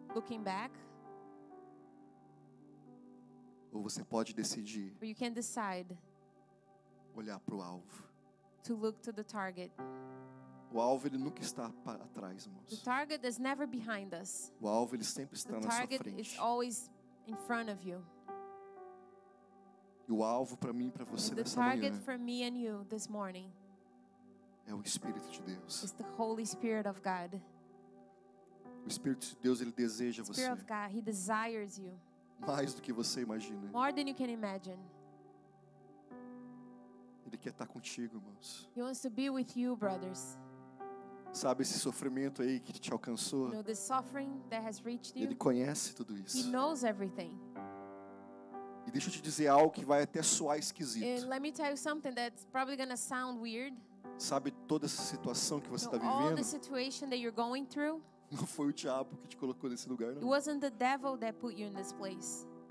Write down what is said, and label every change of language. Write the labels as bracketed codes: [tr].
[en] Looking back. [pt] Ou você pode decidir [en] or you can decide [pt] olhar para o alvo. [en] To look to the target. [pt] O alvo ele nunca está para trás, irmãos. [en] The target is never behind us. [pt] O alvo ele sempre está na sua frente. [en] The target is always in front of you. [pt] E o alvo para mim e para você nessa manhã. [en] The target for me and you this morning. [pt] É o Espírito de Deus. [en] It's the Holy Spirit of God. [pt] O Espírito de Deus ele deseja você. [en] The Spirit of God, He desires you. [pt] Mais do que você imagina. [en] More than you can imagine. [pt] Ele quer estar contigo, irmãos. [en] He wants to be with you, brothers. [pt] Sabe esse sofrimento aí que te alcançou? [en] You know, the suffering that has reached you. [pt] Ele conhece tudo isso. [en] He knows everything. [pt] E deixa eu te dizer algo que vai até soar esquisito. [en] And let me tell you something that's probably gonna sound weird. [pt] Sabe toda essa situação que você está vivendo? [en] All the situation that you're going through. [pt] Não foi o diabo que te colocou nesse lugar, não. [en] It wasn't the devil that put you in this place.